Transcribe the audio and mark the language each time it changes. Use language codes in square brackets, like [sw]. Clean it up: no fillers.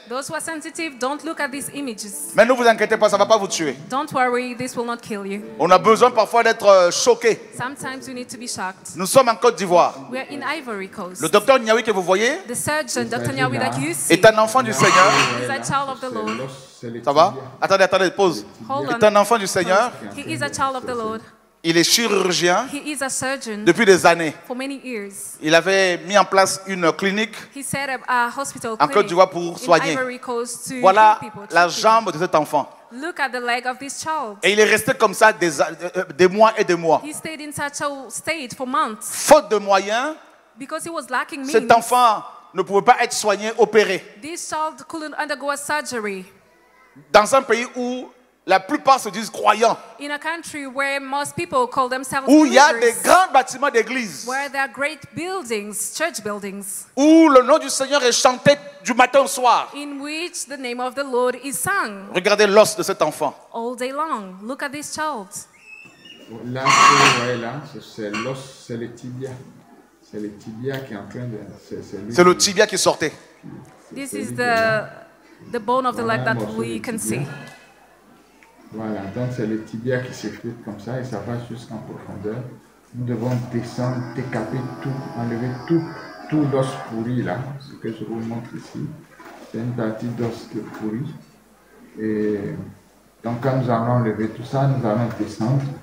[en] Those who are sensitive, don't look at these images. [fr] Mais ne vous inquiétez pas, ça ne va pas vous tuer. [en] Don't worry, this will not kill you. [fr] On a besoin parfois d'être choqué. [en] Sometimes we need to be shocked. [fr] Nous sommes en Côte d'Ivoire. [en] We are in Ivory Coast. [fr] Le docteur Niaoui que vous voyez, [en] the surgeon, Dr. Niaoui that you see, [fr] est un enfant du Seigneur. [en] He's a child of the Lord. [fr] Ça va? Attendez, pause. [en] Hold on. [fr] Est un enfant du Seigneur. [en] He is a child of the Lord. [fr] Il est chirurgien. [en] He is a surgeon. [fr] Depuis des années. [en] For many years. [fr] Il avait mis en place une clinique. [en] He set up a hospital clinic [fr] en Côte d'Ivoire pour soigner. [en] In Ivory Coast to [fr] voilà [en] people, [fr] la [en] people. [fr] Jambe de cet enfant. [en] Look at the leg of this child. [fr] Et il est resté comme ça des mois et des mois. [en] He stayed in such a state for months. [fr] Faute de moyens, [en] because he was lacking means, [fr] cet enfant ne pouvait pas être soigné, opéré. [en] This child couldn't undergo a surgery. [fr] Dans un pays où la plupart se disent croyants. [en] In a country where most people call themselves [fr] où il y a des grands bâtiments d'église. [en] Where there are great buildings, church buildings. [fr] Où le nom du Seigneur est chanté du matin au soir. [en] In which the name of the Lord is sung. [fr] Regardez l'os de cet enfant. [en] All day long, look at this child. [fr] Là, vous voyez là, c'est l'os, c'est le tibia. C'est le tibia qui est en train de... C'est le tibia qui sortait. [en] This is the bone of the leg that we can see. [fr] Voilà, donc c'est le tibia qui s'effrite comme ça et ça va jusqu'en profondeur. Nous devons descendre, décaper tout, enlever tout l'os pourri là, ce que je vous montre ici. C'est une partie d'os qui est pourri. Et donc quand nous allons enlever tout ça, nous allons descendre.